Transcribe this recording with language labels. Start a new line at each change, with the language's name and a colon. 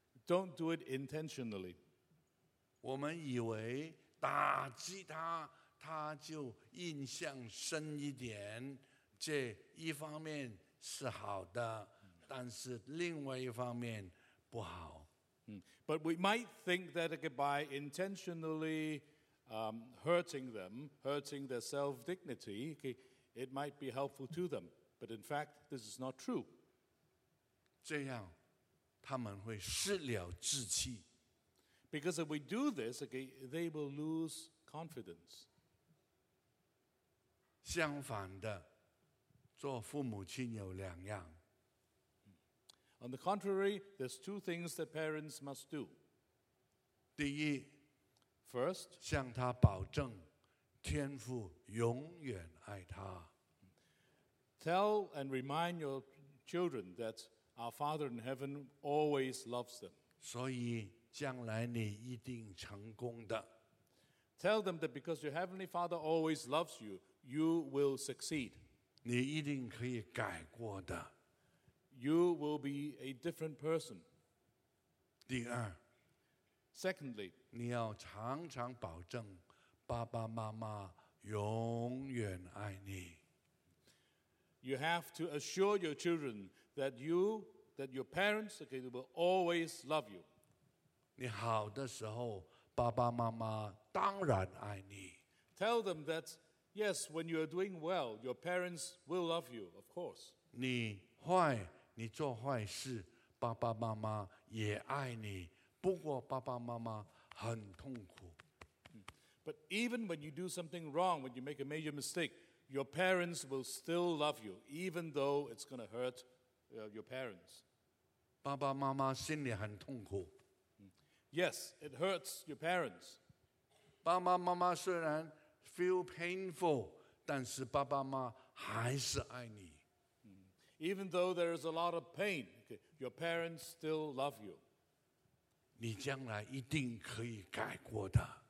English: Don't do it intentionally.
Chinese: 我们以为打击他他就印象深一点，这一方面是好的，但是另外一方面不好。
English: But we might think that by intentionally hurting them, hurting their self-dignity, it might be helpful to them. But in fact, this is not true.
Chinese: 这样，他们会失了志气。
English: Because if we do this, they will lose confidence.
Chinese: 相反的，做父母亲有两样。
English: On the contrary, there's two things that parents must do.
Chinese: 第一
English: ，First，
Chinese: 向他保证，天父永远爱他。
English: Tell and remind your children that our Father in heaven always loves them.
Chinese: 所以将来你一定成功的。
English: Tell them that because your heavenly Father always loves you. You will succeed.
Chinese: 你一定可以改过的。
English: You will be a different person.
Chinese: 第二。
English: Secondly,
Chinese: 你要常常保证爸爸妈妈永远爱你。
English: You have to assure your children that you, that your parents, okay, will always love you.
Chinese: 你好的时候，爸爸妈妈当然爱你。
English: Tell them that. Yes, when you are doing well, your parents will love you, of course.
Chinese: 你坏，你做坏事，爸爸妈妈也爱你，不过爸爸妈妈很痛苦。
English: But even when you do something wrong, when you make a major mistake, your parents will still love you, even though it's going to hurt your parents.
Chinese: 爸爸妈妈心里很痛苦。
English: Yes, it hurts your parents.
Chinese: 爸爸妈妈虽然
English: feel painful,
Chinese: 但是爸爸妈还是爱你。
English: Even though there is a lot of pain, okay, your parents still love you.
Chinese: 你将来一定可以改过的。